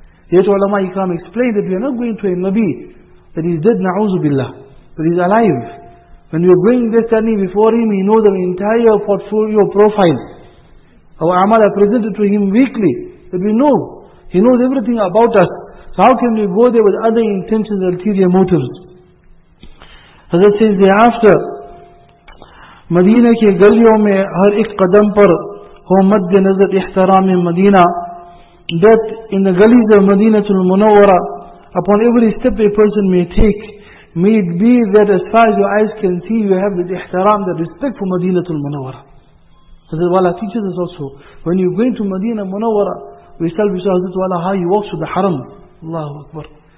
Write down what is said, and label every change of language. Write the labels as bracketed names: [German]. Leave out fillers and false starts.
[English] Yet ulama ikram explained that we are not going to a Nabi that is dead, na'uzu billah, but he's alive. When we are going there standing before him, he knows our entire portfolio profile. Our amal are presented to him weekly, that we know. He knows everything about us. So how can we go there with other intentions and ulterior motives? [Urdu] حضرت [English] says thereafter, [Urdu] مدینہ کے گلیوں میں ہر ایک قدم پر ہو مد نظر احترام مدینہ. [English] That in the gullies of Madinatul Munawwara, upon every step a person may take, may it be that as far as your eyes can see, you have the ihtiram, the respect for Madinatul Munawwara. Hazrat Wala teaches us also, when you're going to Madinah Munawwara, we shall be saying, Hazrat Wala, how he walks to the haram. Allahu Akbar.